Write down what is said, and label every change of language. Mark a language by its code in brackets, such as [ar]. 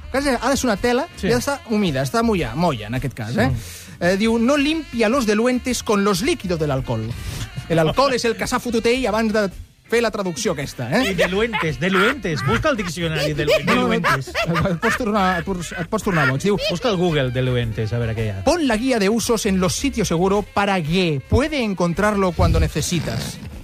[ca] Ha de ser una tela i ha d'estar humida, està molla, en aquest cas. Diu, [es] no limpia los deluentes con los líquidos del alcohol. [ca] El alcohol és el que s'ha fotut ell abans de fer la traducció aquesta. Deluentes. Busca el diccionari deluentes. Et pots tornar boig. Diu, busca el Google deluentes, a veure què hi ha. [es] Pon la guía de usos en los sitios seguro para que puede encontrarlo cuando necesitas.